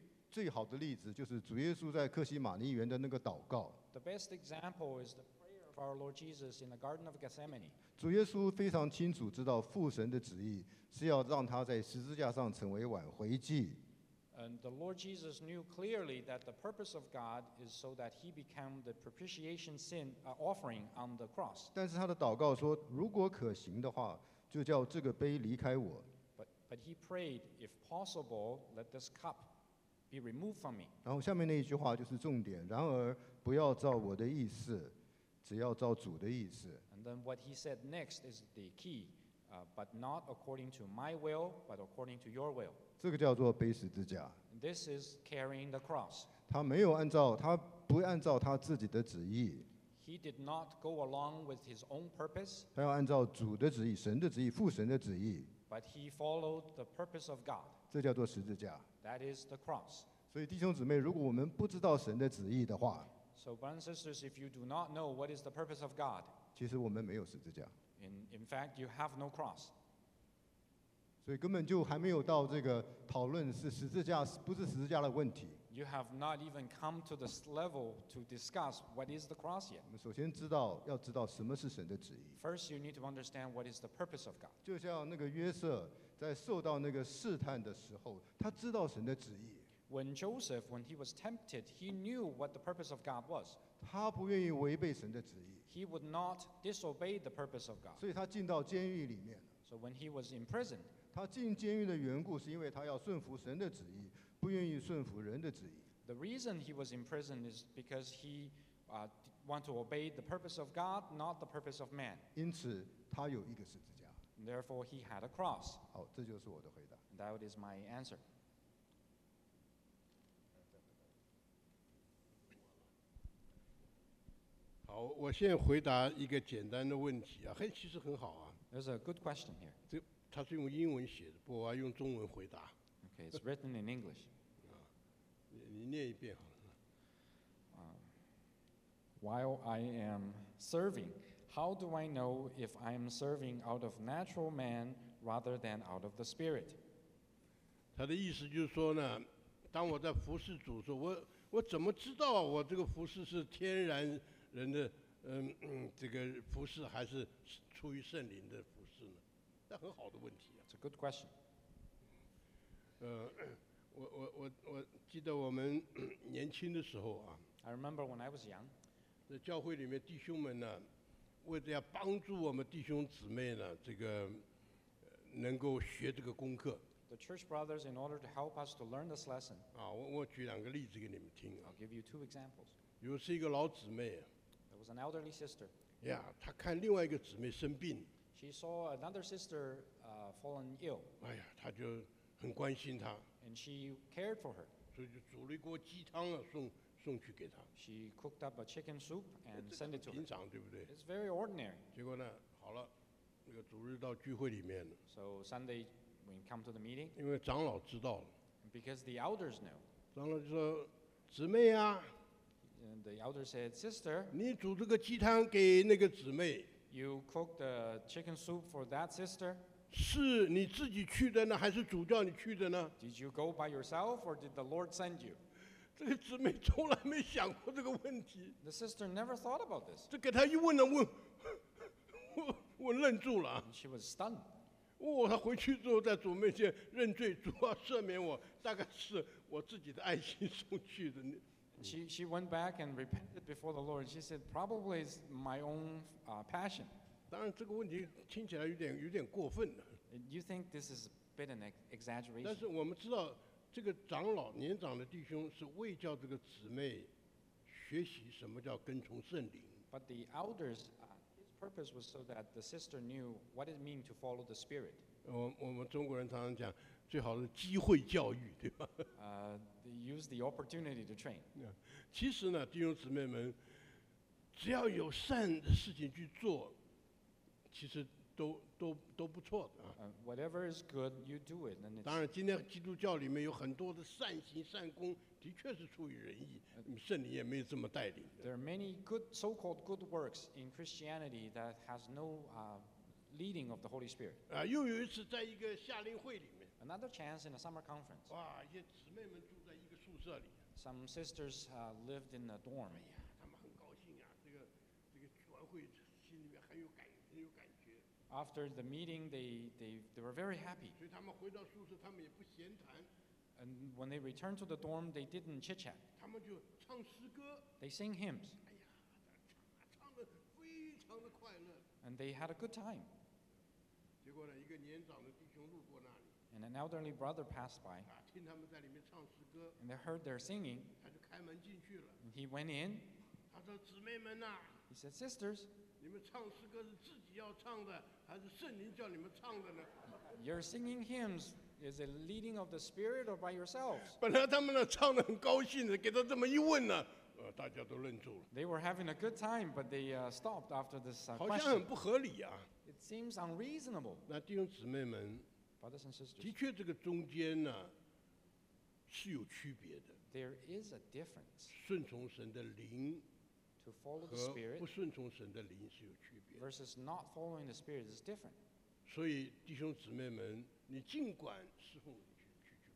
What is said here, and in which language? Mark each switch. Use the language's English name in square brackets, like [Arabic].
[Chinese] 最好的例子就是主耶稣在克西马尼园的那个祷告。 [English] The best example is the prayer of our Lord Jesus in the Garden of Gethsemane. [Chinese] 主耶稣非常清楚知道父神的旨意是要让他在十字架上成为挽回祭。 [English] And the Lord Jesus knew clearly that the purpose of God is so that he became the propitiation sin offering on the cross. [Chinese] 但是他的祷告说，如果可行的话，就叫这个杯离开我。 [English] But he prayed, if possible, let this cup be removed from me. [Chinese] 然后下面那一句话就是重点，然而不要照我的意思，只要照主的意思。 [English] And then what he said next is the key, but not according to my will, but according to your will. [Chinese] 这个叫做背十字架。 [English] This is carrying the cross. [Chinese] 他不按照他自己的旨意。 [English] He did not go along with his own purpose. [Chinese] 他要按照主的旨意、神的旨意、父神的旨意。 [English] But he followed the purpose of God. [Chinese] 这叫做十字架。 [English] That is the cross. [Chinese] 所以弟兄姊妹，如果我们不知道神的旨意的话， [English] So brothers and sisters, if you do not know what is the purpose of God, [Chinese] 其实我们没有十字架。 [English] In fact, you have no cross. [Chinese] 所以根本就还没有到这个讨论是十字架不是十字架的问题。 [English] You have not even come to this level to discuss what is the cross yet. [Chinese] 我们首先要知道什么是神的旨意。 [English] First, you need to understand what is the purpose of God. [Chinese] 就像那个约瑟在受到那个试探的时候，他知道神的旨意。 [English] When Joseph, when he was tempted, he knew what the purpose of God was. [Chinese] 他不愿意违背神的旨意。 [English] He would not disobey the purpose of God. [Chinese] 所以他进到监狱里面。 [English] So when he was imprisoned, [Chinese] 他进监狱的缘故是因为他要顺服神的旨意，不愿意顺服人的旨意。 [English] The reason he was imprisoned is because he wanted to obey the purpose of God, not the purpose of man. [Chinese] 因此，他有一个十字架。 [English] Therefore, he had a cross. [Chinese] 好，这就是我的回答。 [English] That is my answer. [Chinese] 好，我先回答一个简单的问题啊，其实很好啊。 [English] There's a good question here. [Chinese] 他是用英文写的，不过我要用中文回答。 [English] Okay, it's written in English. [Chinese] 你念一遍好了。 [English] While I am serving, how do I know if I am serving out of natural man rather than out of the spirit? [Chinese] 他的意思就是说呢，当我在服侍主的时候，我怎么知道我这个服侍是天然人的这个服侍，还是出于圣灵的服侍呢？那很好的问题啊。 [English] It's a good question. [Chinese] 我记得我们年轻的时候啊。 [English] I remember when I was young. [Chinese] 在教会里面，弟兄们呢，为了要帮助我们弟兄姊妹呢，这个能够学这个功课。 [English] the church brothers in order to help us to learn this lesson. [Chinese] 啊, 我举两个例子给你们听啊。 [English] I'll give you two examples. [Chinese] 有是一个老姊妹。 [English] There was an elderly sister. [Chinese] Yeah, 她看另外一个姊妹生病。 [English] She saw another sister fallen ill. [Chinese] 哎呀，她就很关心她。 [English] And she cared for her. [Chinese] 所以就煮了一锅鸡汤啊，送去给她。 [English] She cooked up a chicken soup and sent it to her. [Chinese] 平常对不对 [English] ？It's very ordinary. [Chinese] 结果呢，好了，那个主日到聚会里面了。 [English] So Sunday when you come to the meeting. [Chinese] 因为长老知道了。 [English] Because the elders knew. [Chinese] 长老就说：“姊妹啊。” [English] And the elder said, "Sister." [Chinese] 你煮这个鸡汤给那个姊妹。 [English] You cooked the chicken soup for that sister? [Chinese] 是你自己去的呢还是主叫你去的呢? [English] Did you go by yourself or did the Lord send you? [Chinese] 这个姊妹从来没想过这个问题。 [English] The sister never thought about this. [Chinese] 这给她一问呢我愣住了。 [English] And she was stunned. [Chinese] 她回去之后在主面前认罪主啊赦免我大概是我自己的爱心送去的。 [English] She went back and repented before the Lord. She said, probably it's my own passion. [Chinese] 当然这个问题听起来有点过分。 [English] You think this is a bit an exaggeration? [Chinese] 但是我们知道这个长老年长的弟兄是为叫这个姊妹学习什么叫跟从圣灵。 [English] But the elders, his purpose was so that the sister knew what it means to follow the Spirit. [Chinese] 我们中国人常常讲最好是机会教育，对吧？ [English] They use the opportunity to train. [Chinese] 其实呢，弟兄姊妹们，只要有善的事情去做，其实都不错的啊。 [English] Whatever is good, you do it. [Chinese] 当然，今天基督教里面有很多的善行善功，的确是出于人意，圣灵也没有这么带领。 [English] There are many good so-called good works in Christianity that has no leading of the Holy Spirit. [Chinese] 又有一次在一个夏令会里面。 [English] Another chance in a summer conference. [Chinese] 哇，一些姊妹们住在一个宿舍里。 [English] Some sisters lived in a dorm. [Chinese] 哎呀，他们很高兴啊，这个聚完会，心里面很有感觉。 [English] After the meeting, they were very happy. [Chinese] 所以他们回到宿舍，他们也不闲谈。 [English] And when they returned to the dorm, they didn't chit chat. [Chinese] 他们就唱诗歌。 [English] They sing hymns. [Chinese] 哎呀，唱得非常的快乐。 [English] And they had a good time. [Chinese] 结果呢，一个年长的弟兄路过那里。 [English] And an elderly brother passed by. [Chinese] 啊，听他们在里面唱诗歌。 [English] And they heard their singing. [Chinese] 他就开门进去了。 [English] And he went in. [Chinese] 他说：“姊妹们呐。” [English] He said, "Sisters." [Chinese] 你们唱诗歌是自己要唱的，还是圣灵叫你们唱的呢？ [English] You're singing hymns. Is it leading of the Spirit or by yourselves? [Chinese] 本来他们呢唱得很高兴的，给他这么一问呢，大家都愣住了。 [English] They were having a good time, but they stopped after this question. [Chinese] 好像很不合理啊。 [English] It seems unreasonable. [Chinese] 那弟兄姊妹们。 [English] Brothers and sisters, [Chinese] 的确，这个中间呢是有区别的。 [English] There is a difference. [Chinese] 顺从神的灵 [English] ，to follow the spirit, [Chinese] 和不顺从神的灵是有区别。 [English] Versus not following the spirit is different. [Chinese] 所以弟兄姊妹们，你尽管侍奉去服侍。